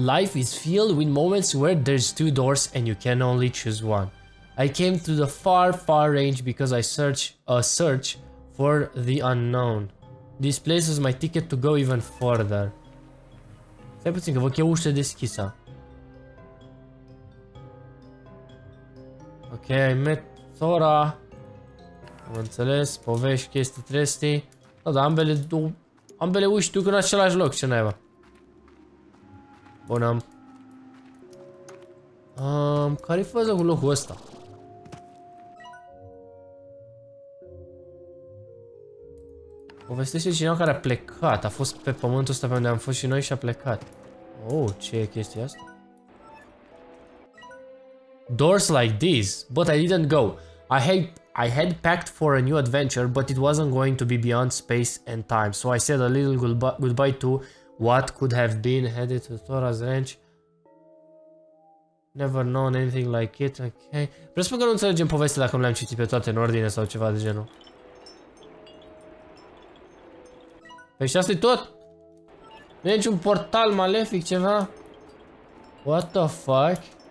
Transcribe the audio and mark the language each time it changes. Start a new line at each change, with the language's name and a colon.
English: Life is filled with moments where there's two doors and you can only choose one. I came to the far, far range because I search for the unknown. This place is my ticket to go even further.
Romanian: Stai puțin, că văd că e ușa deschisă. Ok, ai metora. Am înțeles, povești, chestii, trestii. Da, dar ambele uși duc în același loc, ce naiba. Bun, care-i faza cu locul ăsta? Povestește cineva care a plecat. A fost pe pământul ăsta pe unde am fost și noi și a plecat. Oh, ce e chestia asta?
English: Doors like these, but I didn't go. I had packed for a new adventure, but it wasn't going to be beyond space and time. So I said a little goodbye to what could have been headed to Thora's Ranch. Never known anything like it, okay.
Romanian: Presupun că nu înțelegem povestea dacă nu le-am citit pe toate în ordine sau ceva de genul. Păi și asta e tot? Nu e niciun portal malefic, ceva?
English: What the fuck?